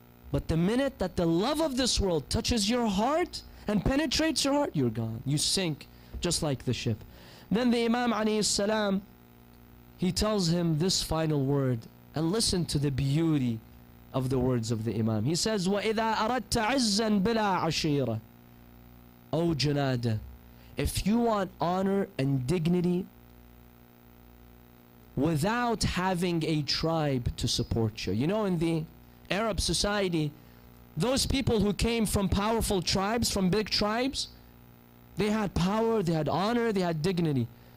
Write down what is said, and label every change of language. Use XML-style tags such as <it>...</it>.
<en>But the minute that the love of this world touches your heart and penetrates your heart, you're gone. You sink just like the ship. Then the Imam alayhi salam, he tells him this final word. And listen to the beauty of the words of the Imam. He says,</en> <ar>وَإِذَا أَرَدْتَ عِزًّا بِلَا عَشِيرًا.</ar> <en>O Junaida, if you want honor and dignity without having a tribe to support you. You know, in the Arab society, those people who came from powerful tribes, from big tribes, they had power, they had honor, they had dignity.</en>